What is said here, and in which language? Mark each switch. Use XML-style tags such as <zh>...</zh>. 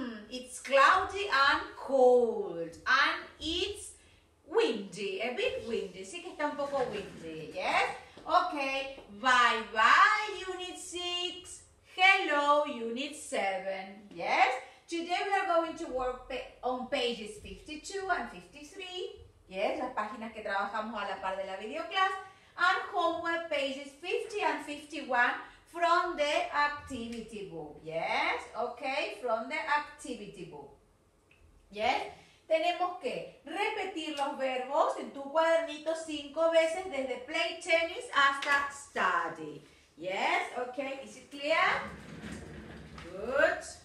<en>It's cloudy and cold. And it's windy, a bit windy.</en> <es>Sí que está un poco</es> <en>windy, yes? Okay, bye-bye, Unit 6. Hello, Unit 7. Yes? Today we are going to work on pages 52 and 53. Yes?</en> <es>Las páginas que trabajamos a la par de la videoclass.</es> <en>And homework pages 50 and 51 from the activity book. Yes? Okay? From the activity book. Yes?</en> <es>Tenemos que repetir los verbos en tu cuadernito 5 veces desde</es> <en>play tennis</en> <es>hasta study.</es> <en>Yes? Okay? Is it clear? Good.</en>